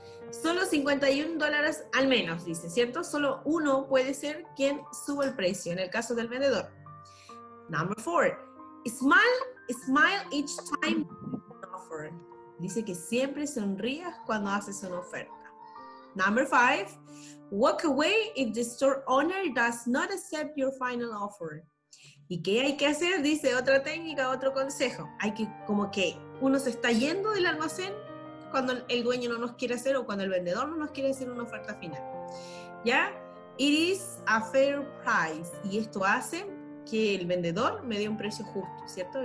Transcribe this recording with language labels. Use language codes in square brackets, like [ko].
[es] Solo $51 al menos, dice, ¿cierto? Solo uno puede ser quien suba el precio, en el caso del vendedor. [en] Number four, smile each time you offer. [es] Dice que siempre sonrías cuando haces una oferta. [en] Number five, walk away if the store owner does not accept your final offer. [es] ¿Y qué hay que hacer? Dice otra técnica, otro consejo. Hay que, como que, uno se está yendo del almacén cuando el dueño no nos quiere hacer o cuando el vendedor no nos quiere hacer una oferta final. ¿Ya? [en] It is a fair price. [es] Y esto hace que el vendedor me dé un precio justo, ¿cierto?